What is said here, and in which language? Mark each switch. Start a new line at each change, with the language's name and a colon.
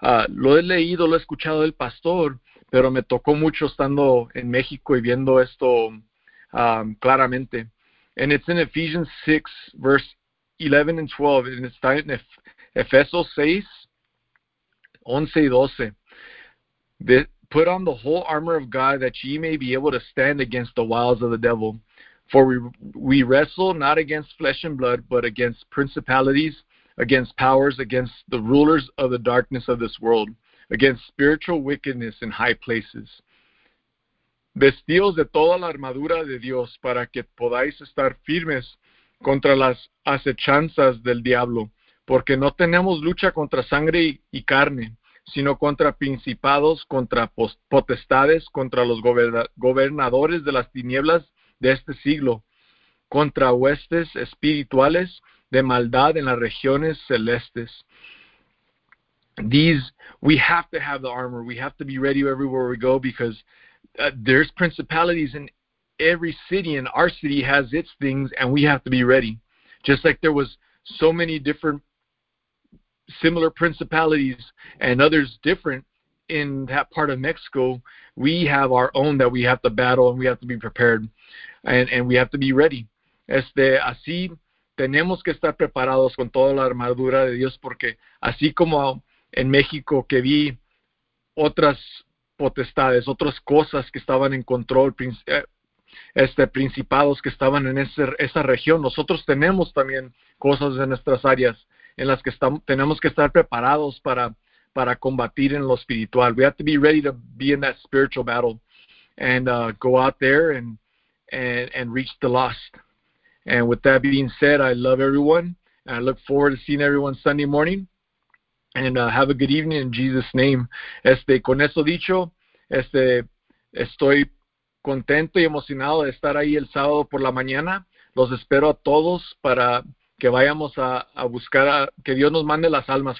Spanish: Lo he leído, lo he escuchado del pastor, pero me tocó mucho estando en México y viendo esto claramente.
English: And it's in Ephesians 6, verse 11 and 12, and it's starting in
Spanish: Efesos 6, 11 y 12.
English: Put on the whole armor of God that ye may be able to stand against the wiles of the devil. For we wrestle not against flesh and blood, but against principalities, against powers, against the rulers of the darkness of this world, against spiritual wickedness in high places.
Spanish: Vestíos de toda la armadura de Dios para que podáis estar firmes contra las acechanzas del diablo, porque no tenemos lucha contra sangre y carne, sino contra principados, contra potestades, contra los gobernadores de las tinieblas de este siglo, contra huestes espirituales de maldad en las regiones celestes.
English: We have to have the armor. We have to be ready everywhere we go because there's principalities in every city, and our city has its things, and we have to be ready. Just like there was so many different similar principalities and others different in that part of Mexico, we have our own that we have to battle, and we have to be prepared, and we have to be ready.
Spanish: Así tenemos que estar preparados con toda la armadura de Dios, porque así como en México que vi otras potestades, otras cosas que estaban en control, principados que estaban en esa región, nosotros tenemos también cosas en nuestras áreas en las que tenemos que estar preparados para combatir en lo espiritual.
English: We have to be ready to be in that spiritual battle and go out there and reach the lost. And with that being said, I love everyone and I look forward to seeing everyone Sunday morning. And have a good evening in Jesus' name.
Spanish: Con eso dicho, estoy contento y emocionado de estar ahí el sábado por la mañana. Los espero a todos para que vayamos a buscar que Dios nos mande las almas.